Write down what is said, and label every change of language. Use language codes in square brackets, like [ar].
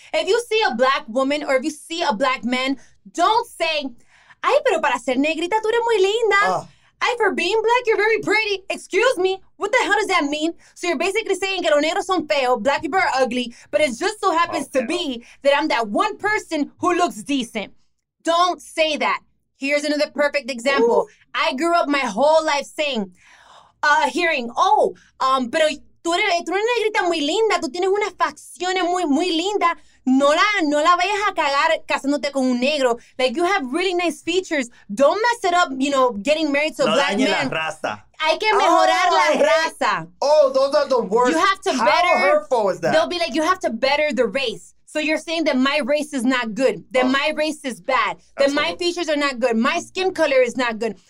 [en] If you see a black woman or if you see a black man, don't say, ay, [es] pero para ser negrita tú eres muy linda. [en] Ay, for being black, you're very pretty. Excuse me. What the hell does that mean? So you're basically saying [es] que los negros son feos, [en] black people are ugly, but it just so happens to be that I'm that one person who looks decent. Don't say that. Here's another perfect example. Ooh. I grew up my whole life saying, hearing, [es] pero tú eres negrita muy linda, tú tienes unas facciones muy, muy linda. No la vayas a cagar casándote con un negro. [en] Like, you have really nice features. Don't mess it up, you know, getting married to a no black man. [es] No dañe la raza. Hay que mejorar la raza. [en] Oh, those are the worst. You have to How better, hurtful is that? They'll be like, you have to better the race. So you're saying that my race is not good. That my race is bad. That my features are not good. My skin color is not good.